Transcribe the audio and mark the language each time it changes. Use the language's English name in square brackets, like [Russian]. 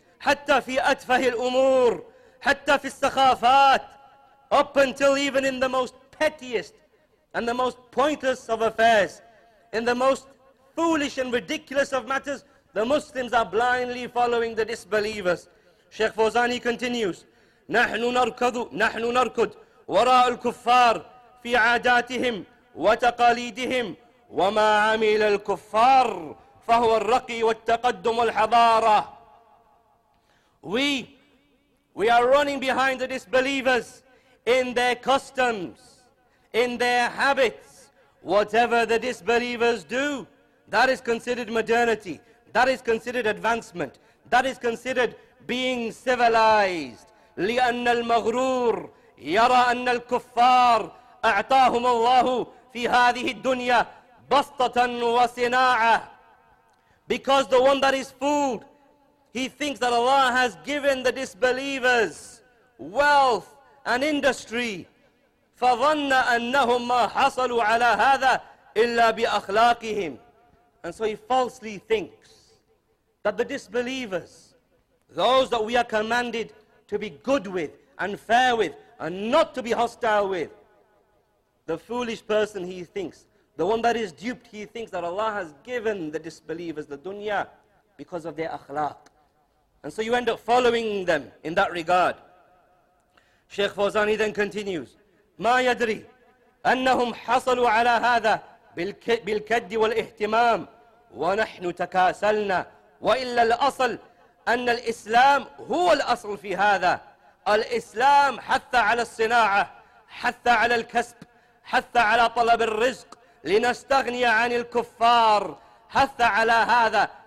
[Arabic] Hatta fi atfahi al-umur, hatta fi al-sakhafat, [English] up until even in the most pettiest and the most pointless of affairs, in the most foolish and ridiculous of matters, the Muslims are blindly following the disbelievers. Sheikh Fawzani continues, [Arabic] نحن نركض وراء الكفار في عاداتهم وتقاليدهم وما عمل الكفار فهو الرقي والتقدم والحضارة. [English] We are running behind the disbelievers in their customs, in their habits. Whatever the disbelievers do, that is considered modernity, that is considered advancement, that is considered being civilized. [Arabic] لأن المغرور يرى أن الكفار أعطاهم الله في هذه الدنيا بسطة وصناعة. [English] Because the one that is fooled, he thinks that Allah has given the disbelievers wealth and industry. [Arabic] فظن أنهم ما حصلوا على هذا إلا بأخلاقهم. [English] And so he falsely thinks that the disbelievers, those that we are commanded to be good with and fair with and not to be hostile with, the foolish person, he thinks, the one that is duped, he thinks that Allah has given the disbelievers the dunya because of their akhlaq. And so you end up following them in that regard. Sheikh Fawzani then continues, [Arabic] ما يدري أنهم حصلوا على هذا بالكد والاهتمام ونحن تكاسلنا وإلا الأصل أن الإسلام هو الأصل في هذا. الإسلام حث على الصناعة، حث على الكسب، حث على طلب الرزق لنستغني عن الكفار، حث على هذا.